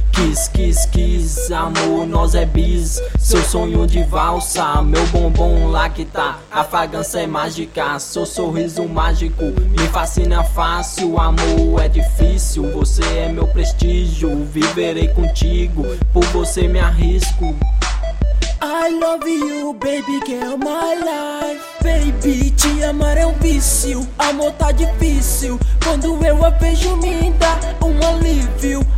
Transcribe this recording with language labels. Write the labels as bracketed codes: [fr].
[en] Kiss, kiss, kiss, [pt] amor, nós é bis. Seu sonho de valsa, meu bombom lacta. A fragrância é mágica, seu sorriso mágico me fascina fácil, amor é difícil. Você é meu prestígio, viverei contigo. Por você me arrisco. [en] I love you, baby, girl, my life. [pt] Baby, te amar é um vício, amor tá difícil. Quando eu a vejo me dá um alívio.